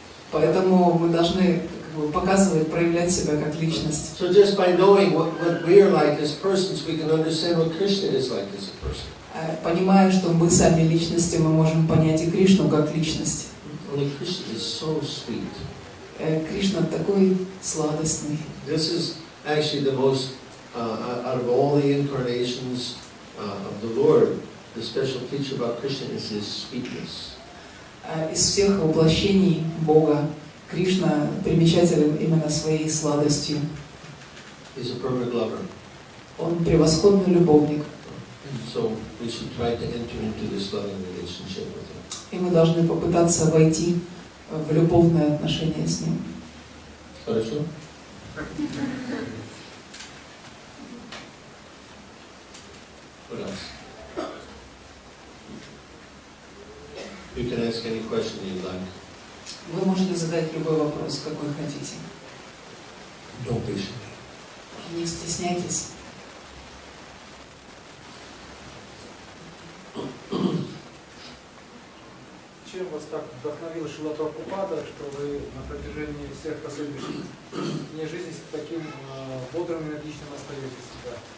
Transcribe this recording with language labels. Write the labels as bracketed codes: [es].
[ru] Поэтому мы должны как бы показывать, проявлять себя как личность. [en] So just by knowing what we are like as persons, we can understand what Krishna is like as a person. [ru] Понимая, что мы сами личности, мы можем понять и Кришну как личность. [en] Only Krishna is so sweet. [ru] Кришна такой сладостный. [en] This is actually the most out of all the incarnations of the Lord. The special feature about Krishna is his sweetness. [ru] Из всех воплощений Бога Кришна примечателен именно своей сладостью. [en] He's a perfect lover. [ru] Он превосходный любовник. [en] So we should try to enter into this loving relationship with him. [ru] И мы должны попытаться войти в любовные отношения с ним. Хорошо. [en] You can ask any question you'd like. [ru] Вы можете задать любой вопрос, какой хотите. [en] Don't be shy. [ru] Не стесняйтесь. Чем вас так вдохновил Шрила Прабхупада, что вы на протяжении всех последних дней жизни с таким бодрым энергичным остаетесь всегда?